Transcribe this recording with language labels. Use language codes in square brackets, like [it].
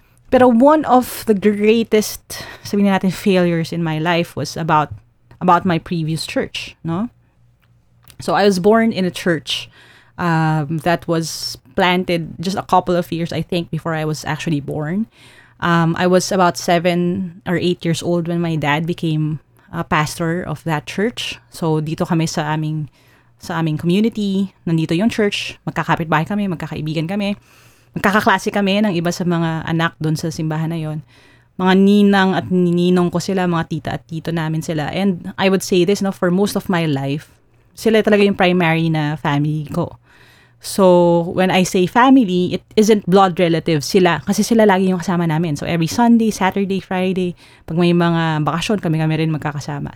[en] Pero one of the greatest, [tl] sabihin natin, [en] failures in my life was about my previous church, no? So I was born in a church that was planted just a couple of years, I think, before I was actually born. I was about 7 or 8 years old when my dad became a pastor of that church. [tl] So dito kami sa aming community, nandito yung church, magkakapitbahay kami, magkakaibigan kami, magkakaklase kami ng iba sa mga anak doon sa simbahan na yon. Mga ninang at ninong ko sila, mga tita at tito namin sila. [en] And I would say this, no, for most of my life, [tl] sila talaga yung [en] primary na family ko. So, when I say family, it isn't blood relatives sila. [tl] Kasi sila lagi yung kasama namin. So, every Sunday, Saturday, Friday, pag may mga bakasyon, kami-kami rin magkakasama.